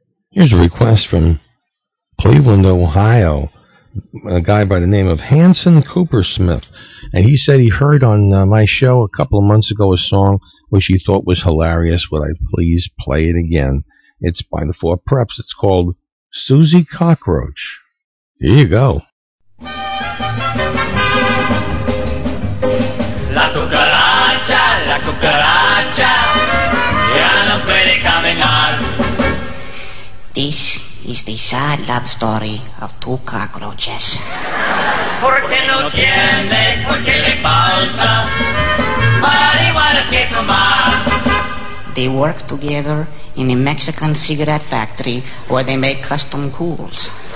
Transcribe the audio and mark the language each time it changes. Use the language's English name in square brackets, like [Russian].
[English] Here's a request from Cleveland, Ohio, a guy by the name of Hanson Cooper Smith. And he said he heard on my show a couple of months ago a song which he thought was hilarious. Would I please play it again? It's by the Four Preps. It's called Susie Cockroach. Here you go. [Spanish] La cucaracha, la cucaracha, ya no puede caminar. [English] This is the sad love story of two cockroaches. [Spanish] Porque no tiene, porque le falta marihuana que tomar. [English] They work together in a Mexican cigarette factory where they make custom cools.